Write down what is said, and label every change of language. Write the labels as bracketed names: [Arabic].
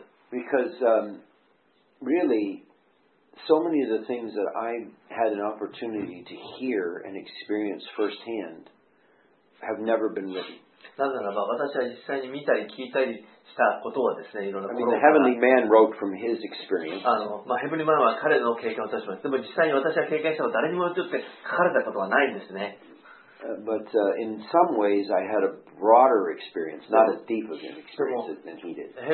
[English] Because really, so many of the things that I had an opportunity to hear and experience firsthand have never been written. [Japanese] なぜならば私は実際に見たり聞いたりしたことはですね、いろんなことを。 [English] I mean, the heavenly man wrote from his experience. [Japanese] ヘブリマンは彼の経験を通します。でも実際に私は経験したの誰にもよって書かれたことはないんですね。 [English] But in some ways I had a broader experience, not as deep of an experience than he did.